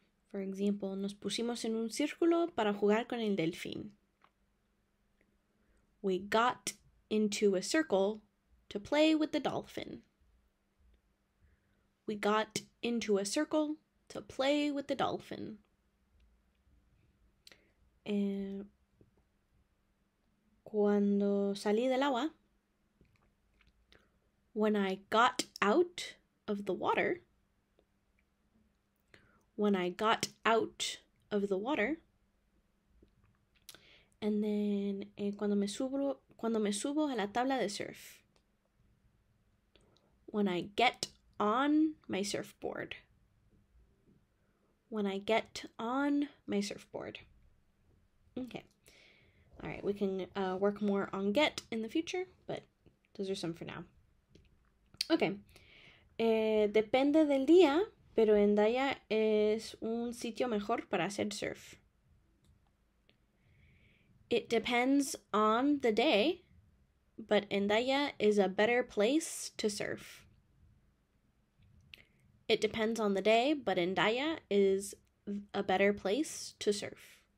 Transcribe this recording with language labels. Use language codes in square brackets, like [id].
[en] For example, [es] nos pusimos en un círculo para jugar con el delfín. [en] We got into a circle to play with the dolphin. We got into a circle to play with the dolphin. [es] Cuando salí del agua, [en] when I got out of the water, when I got out of the water, and then [es] cuando me subo a la tabla de surf, [en] when I get on my surfboard, when I get on my surfboard. Okay. All right, we can work more on get in the future, but those are some for now. [es] Okay, depende del día, pero Hendaya es un sitio mejor para hacer surf. [en] It depends on the day, but Hendaya is a better place to surf. It depends on the day, but Hendaya is a better place to surf.